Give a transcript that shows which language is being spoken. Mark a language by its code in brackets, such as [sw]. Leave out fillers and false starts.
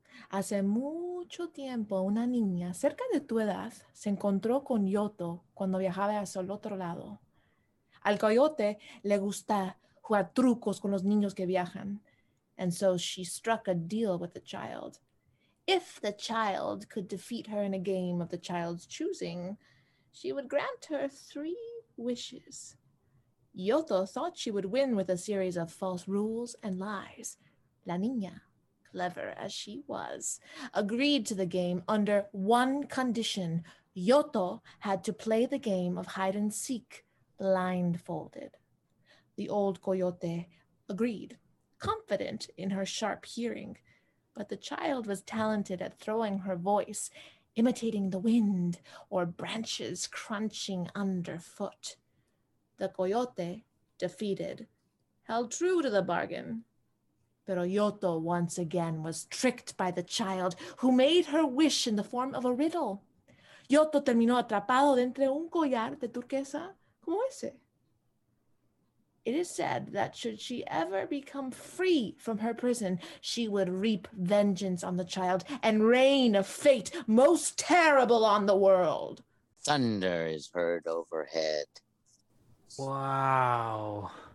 [es] Hace mucho tiempo, una niña cerca de tu edad se encontró con Yoto cuando viajaba hacia el otro lado. Al coyote le gusta jugar trucos con los niños que viajan. [en] And so she struck a deal with the child. If the child could defeat her in a game of the child's choosing, she would grant her 3 wishes. Yoto thought she would win with a series of false rules and lies. [es] La niña, [en] clever as she was, agreed to the game under one condition. Yoto had to play the game of hide and seek blindfolded. The old coyote agreed, confident in her sharp hearing, but the child was talented at throwing her voice, imitating the wind or branches crunching underfoot. The coyote, defeated, held true to the bargain. Pero Yoto once again was tricked by the child, who made her wish in the form of a riddle. [es] Yoto terminó atrapado entre un collar de turquesa como ese. [en] It is said that should she ever become free from her prison, she would reap vengeance on the child and rain a fate most terrible on the world. Thunder is heard overhead. Wow.